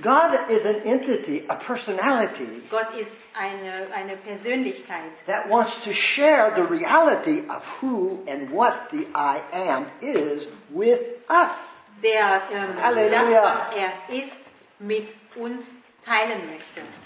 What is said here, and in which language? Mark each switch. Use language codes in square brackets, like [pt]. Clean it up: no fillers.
[en] God is an entity, a personality. [de] Gott ist eine Persönlichkeit. [en] That wants to share the reality of who and what the I am is with us. [de] Der Halleluja. Das, was er ist, mit uns teilen möchte.